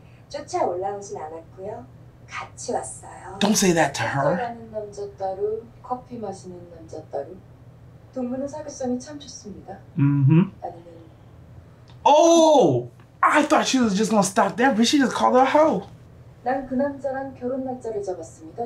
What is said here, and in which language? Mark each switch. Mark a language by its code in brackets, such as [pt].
[ko] 쫓아 올라오진 않았고요. 같이 왔어요. [en] Don't say that to her. [ko] 커피하는 남자 따로, 커피 마시는 남자 따로. 동무는 사교성이 참 좋습니다. 나는. [en] Oh, I thought she was just gonna stop there, but she just called her hoe. [ko] 난 그 남자랑 결혼 날짜를 잡았습니다.